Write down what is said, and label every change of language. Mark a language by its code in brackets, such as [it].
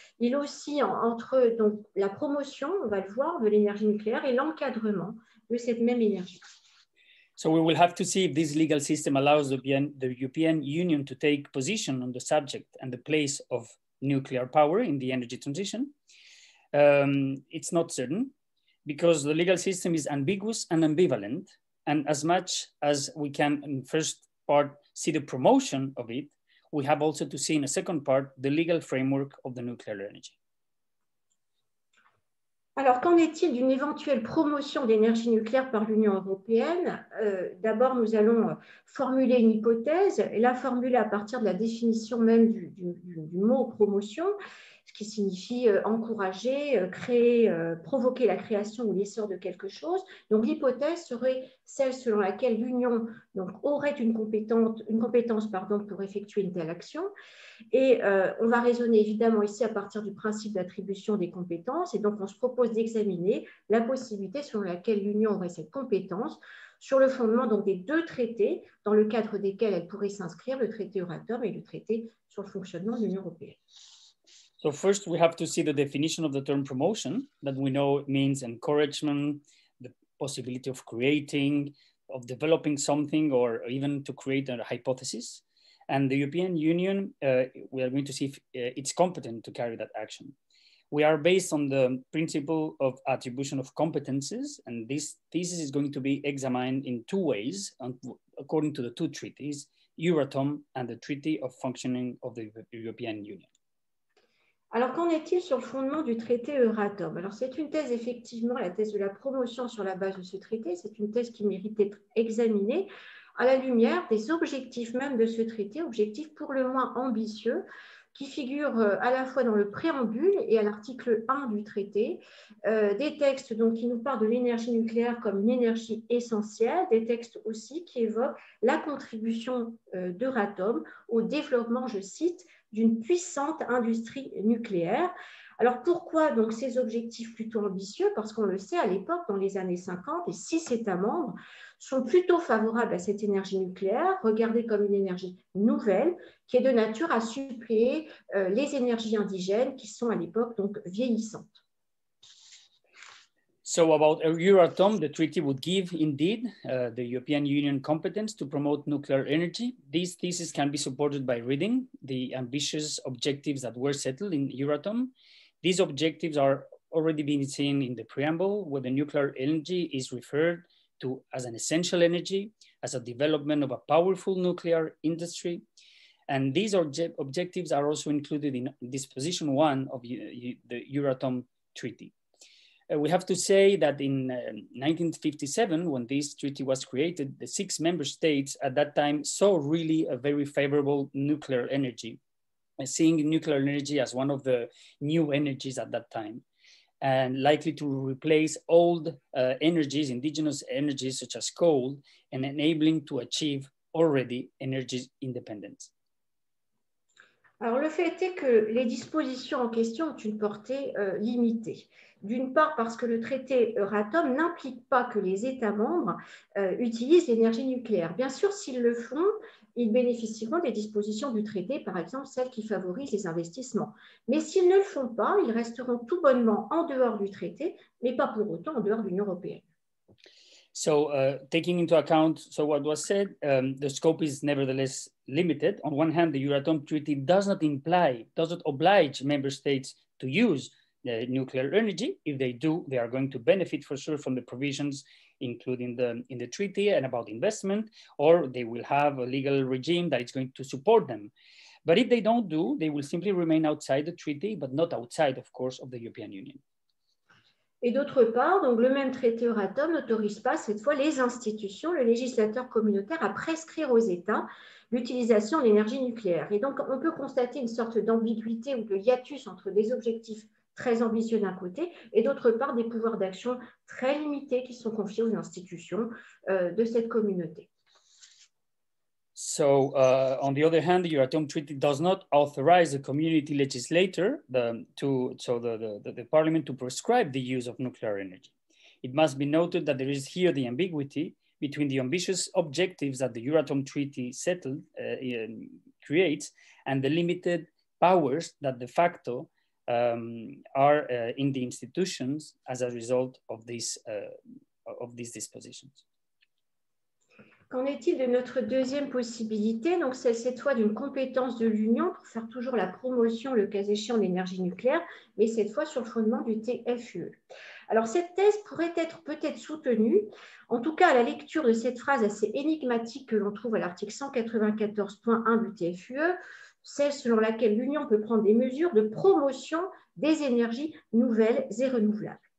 [fr] Il oscille entre donc, la promotion, on va le voir, de l'énergie nucléaire et l'encadrement de cette même énergie. [en] So we will have to see if this legal system allows the European Union to take position on the subject and the place of nuclear power in the energy transition. It's not certain because the legal system is ambiguous and ambivalent. And as much as we can in first part see the promotion of it, we have also to see in a second part the legal framework of the nuclear energy. [fr] Alors, qu'en est-il d'une éventuelle promotion d'énergie nucléaire par l'Union européenne? D'abord, nous allons formuler une hypothèse, et la formuler à partir de la définition même du mot « promotion », ce qui signifie « encourager »,« créer »,« provoquer la création ou l'essor de quelque chose ». Donc, l'hypothèse serait celle selon laquelle l'Union donc, aurait une compétence, pour effectuer une telle action. Et on va raisonner évidemment ici à partir du principe d'attribution des compétences. Et donc, on se propose d'examiner la possibilité selon laquelle l'Union aurait cette compétence sur le fondement donc, des deux traités dans le cadre desquels elle pourrait s'inscrire, le traité Euratom et le traité sur le fonctionnement de l'Union européenne. [en] So first, we have to see the definition of the term promotion that we know means encouragement, the possibility of creating, of developing something, or even to create a hypothesis. And the European Union, we are going to see if it's competent to carry that action. We are based on the principle of attribution of competences, and this thesis is going to be examined in two ways, according to the two treaties, Euratom and the Treaty of Functioning of the European Union. [fr] Alors, qu'en est-il sur le fondement du traité Euratom? Alors, c'est une thèse, effectivement, la thèse de la promotion sur la base de ce traité. C'est une thèse qui mérite d'être examinée à la lumière des objectifs même de ce traité, objectifs pour le moins ambitieux, qui figurent à la fois dans le préambule et à l'article 1 du traité. Des textes donc, qui nous parlent de l'énergie nucléaire comme une énergie essentielle, des textes aussi qui évoquent la contribution d'Euratom au développement, je cite, d'une puissante industrie nucléaire. Alors pourquoi donc ces objectifs plutôt ambitieux? Parce qu'on le sait, à l'époque, dans les années 50, les 6 États membres sont plutôt favorables à cette énergie nucléaire, regardée comme une énergie nouvelle, qui est de nature à suppléer les énergies indigènes qui sont à l'époque donc vieillissantes. [en] So about Euratom, the treaty would give indeed the European Union competence to promote nuclear energy. This thesis can be supported by reading the ambitious objectives that were settled in Euratom. These objectives are already being seen in the preamble, where the nuclear energy is referred to as an essential energy, as a development of a powerful nuclear industry. And these objectives are also included in disposition one of the Euratom treaty. We have to say that in 1957, when this treaty was created, the 6 member states at that time saw really a very favorable nuclear energy, seeing nuclear energy as one of the new energies at that time, and likely to replace old energies, indigenous energies such as coal, and enabling to achieve already energy independence. [fr] Alors, le fait est que les dispositions en question ont une portée limitée. D'une part, parce que le traité Euratom n'implique pas que les États membres utilisent l'énergie nucléaire. Bien sûr, s'ils le font, ils bénéficieront des dispositions du traité, par exemple celles qui favorisent les investissements. Mais s'ils ne le font pas, ils resteront tout bonnement en dehors du traité, mais pas pour autant en dehors de l'Union européenne. [en] So, taking into account so what was said, the scope is nevertheless limited. On one hand, the Euratom Treaty does not imply, does not oblige member states to use nuclear energy. If they do, they are going to benefit for sure from the provisions including the in the treaty and about investment, or they will have a legal regime that is going to support them. But if they don't do, they will simply remain outside the treaty, but not outside, of course, of the European Union. [fr] Et d'autre part, donc le même traité Euratom n'autorise pas cette fois les institutions, le législateur communautaire, à prescrire aux États l'utilisation de l'énergie nucléaire. Et donc, on peut constater une sorte d'ambiguïté ou de hiatus entre des objectifs très ambitieux d'un côté et d'autre part des pouvoirs d'action très limités qui sont confiés aux institutions de cette communauté. [en] So, on the other hand, the Euratom Treaty does not authorize the community legislator, the parliament, to prescribe the use of nuclear energy. It must be noted that there is here the ambiguity between the ambitious objectives that the Euratom Treaty settled creates and the limited powers that de facto are in the institutions as a result of these dispositions. [fr] Qu'en est-il de notre deuxième possibilité, donc celle cette fois d'une compétence de l'Union pour faire toujours la promotion, le cas échéant, de l'énergie nucléaire, mais cette fois sur le fondement du TFUE. Alors cette thèse pourrait être peut-être soutenue, en tout cas à la lecture de cette phrase assez énigmatique que l'on trouve à l'article 194.1 du TFUE, celle selon laquelle l'Union peut prendre des mesures de promotion des énergies nouvelles et renouvelables.